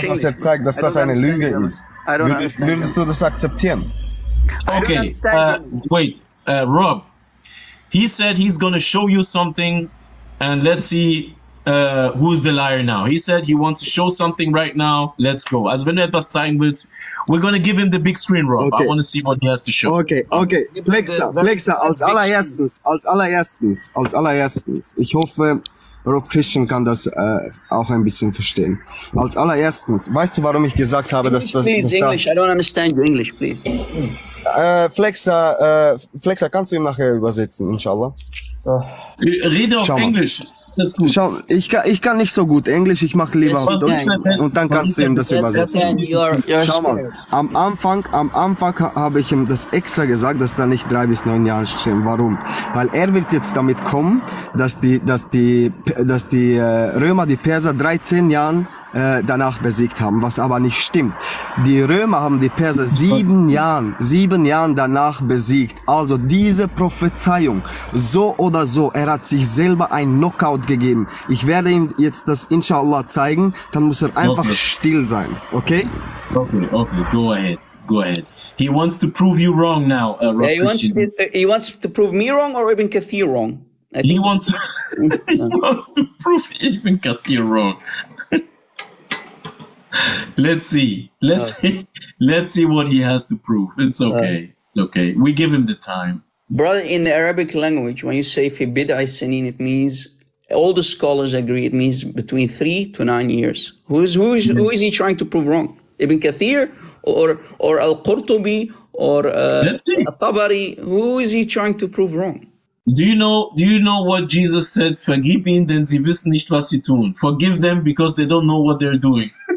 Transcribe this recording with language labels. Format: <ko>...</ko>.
<de>das, was er zeigt, dass das eine Lüge ist, würdest du das akzeptieren?</de> <en>Okay, wait, Rob. He said he's going to show you something, and let's see who's the liar now. He said he wants to show something right now. Let's go.</en> <de>Also wenn du etwas zeigen willst,</de> <en>we're going to give him the big screen, Rob. Okay. I want to see what he has to show.</en> <de>Okay, okay. Plexa, als allererstens. Ich hoffe, Rob Christian kann das auch ein bisschen verstehen. Als allererstens, weißt du, warum ich gesagt habe,</de> <en>English,</en> <de>dass</de> <en>please,</en> <de>das...</de> <en>Please, English, da, I don't understand your English, please.</en> <de>Flexa, kannst du ihm nachher übersetzen, inshallah? Rede auf Schau Englisch. Das ist gut. Schau, ich kann nicht so gut Englisch, ich mache lieber auf Deutsch und dann kannst du ihm das übersetzen. Schau mal, am Anfang habe ich ihm das extra gesagt, dass da nicht 3 bis 9 Jahre stehen. Warum? Weil er wird jetzt damit kommen, dass die Römer die Perser 13 Jahren danach besiegt haben, was aber nicht stimmt. Die Römer haben die Perser 7 Jahren danach besiegt. Also diese Prophezeiung, so oder so, er hat sich selber einen Knockout gegeben. Ich werde ihm jetzt das Inshallah zeigen, dann muss er einfach still sein, okay?</de> <en>Okay, go ahead. He wants to prove you wrong now, Rob. Yeah, he wants to prove me wrong or Ibn Kathir wrong? He wants to prove Ibn Kathir wrong. Let's see what he has to prove. It's okay. Okay. We give him the time. Brother, in the Arabic language, when you say</en> <ar>fi bid'i sanin,</ar> <en>it means, all the scholars agree, it means between 3 to 9 years. Who is he trying to prove wrong? Ibn Kathir or Al-Qurtubi or Al-Tabari? Who is he trying to prove wrong? Do you know what Jesus said?</en> <de>Vergib ihnen, denn sie wissen nicht, was sie tun.</de> <en>Forgive them because they don't know what they're doing.</en>